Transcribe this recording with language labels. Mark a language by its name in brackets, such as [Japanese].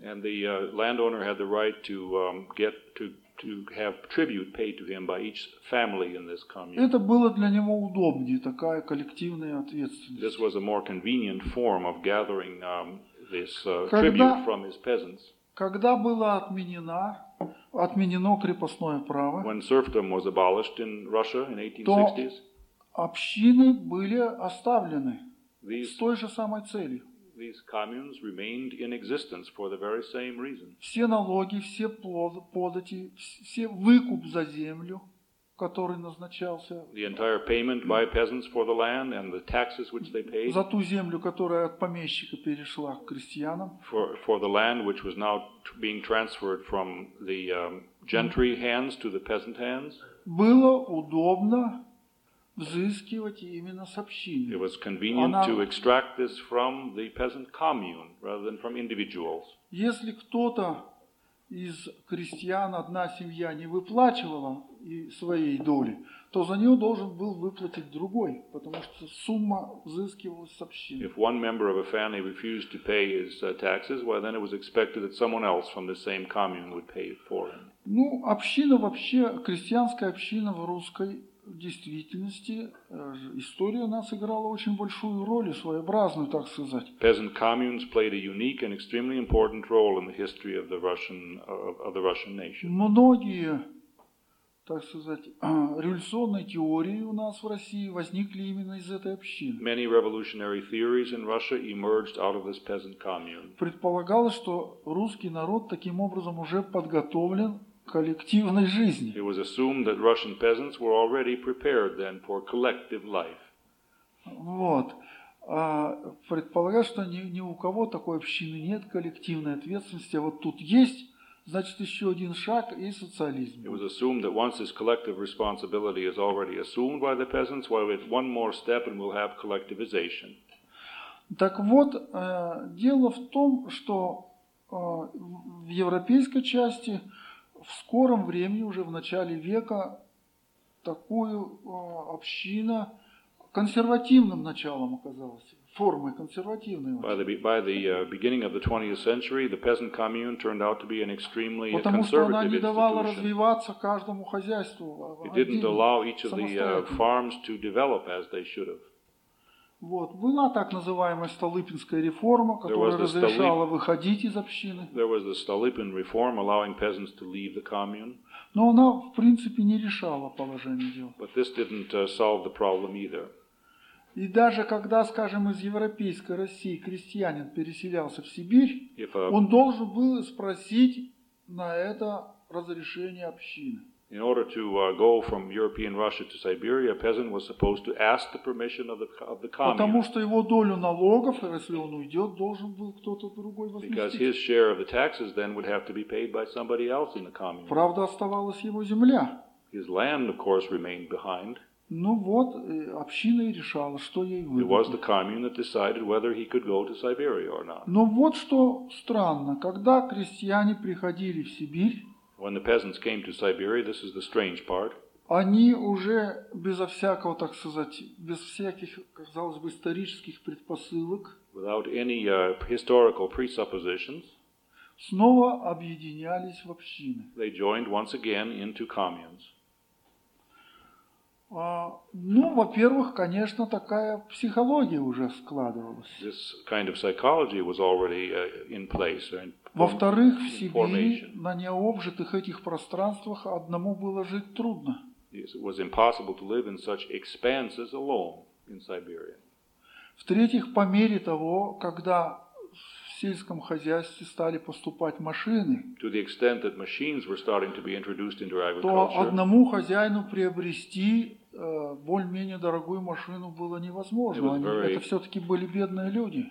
[English] And the landowner had the right to to have tribute paid to him by each family in this commune. [Russian] Это было для него удобнее, такая коллективная ответственность. [English] This was a more convenient form of gathering this tribute from his peasants. [Russian] Когда было отменено крепостное право, [English] when serfdom was abolished in Russia in 1860s, [Russian] общины были оставлены с той же самой целью. [English] These communes remained in existence for the very same reason. [Russian] Все налоги, все подати, все выкуп за землю, который назначался. [English] The entire payment by peasants for the land and the taxes which they paid. [Russian] За ту землю, которая от помещика перешла к крестьянам. [English] For the land which was now being transferred from the gentry hands to the peasant hands. [Russian] Было удобно взыскивать именно с общины. [English] It was convenient to extract this from the peasant commune rather than from individuals. [Russian] Если кто-то из крестьян, одна семья, не выплачивала своей доли, то за нее должен был выплатить другой, потому что сумма взыскивалась с общины. [English] If one member of a family refused to pay his taxes, well, then it was expected that someone else from the same commune would pay it for him. [Russian] Ну, община вообще, крестьянская община в русской в действительности история у нас играла очень большую роль, своеобразную, так сказать. [English] Peasant communes played a unique and extremely important role in the history of the Russian nation. [Russian] Многие, так сказать, революционные теории у нас в России возникли именно из этой общины. [English] Many revolutionary theories in Russia emerged out of this peasant commune. [Russian] Предполагалось, что русский народ таким образом уже подготовлен коллективной жизни. [English] It was assumed that Russian peasants were already prepared then for collective life. [Russian] Вот. Предполагаю, что ни у кого такой общины нет, коллективной ответственности, а вот тут есть, значит, еще один шаг и социализм. [English] It was assumed that once this collective responsibility is already assumed by the peasants, well, it's one more step and we'll have collectivization. [Russian] Так вот, дело в том, что в европейской части в скором времени, уже в начале века, такую община консервативным началом оказалась. Формы консервативные. [English] By the beginning of the 20th century, the peasant commune turned out to be an extremely [Russian] Потому Потому что она не давала развиваться каждому хозяйству. [English] It didn't allow each of the farms to develop as they should have. [Russian] Вот. Была так называемая Столыпинская реформа, которая разрешала выходить из общины. [English] There was the Столыпин reform allowing peasants to leave the commune. [Russian] Но она, в принципе, не решала положение дел. [English] But this didn't solve the problem either. [Russian] И даже когда, скажем, из европейской России крестьянин переселялся в Сибирь, он должен был спросить на это разрешение общины. [English] In order to go from European Russia to Siberia, a peasant was supposed to ask the permission of the commune. [Russian] Потому что его долю налогов, если он уйдет, должен был кто-то другой возместить. [English] Because his share of the taxes then would have to be paid by somebody else in the commune. [Russian] Правда, оставалась его земля. [English] His land, of course, remained behind. [Russian] Ну вот, община и решала, что ей выгодно. [English] It was the commune that decided whether he could go to Siberia or not. [Russian] Но вот что странно, когда крестьяне приходили в Сибирь, [English] When the peasants came to Siberia, this is the strange part. [Russian] Они уже безо всякого, так сказать, без всяких, казалось бы, исторических предпосылок. [English] Without any historical presuppositions. [Russian] Снова объединялись в общины. [English] They joined once again into communes. [Russian] Ну, во-первых, конечно, такая психология уже складывалась. [English] This kind of psychology was already in place. [Russian] Во-вторых, в Сибири, на необжитых этих пространствах, одному было жить трудно. [English] It was impossible to live in such expanses alone in Siberia. [Russian] В-третьих, по мере того, когда в сельском хозяйстве стали поступать машины, [English] to the extent that machines were starting to be introduced into agriculture, [Russian] то одному хозяину приобрести более-менее дорогую машину было невозможно. Это все-таки были бедные люди.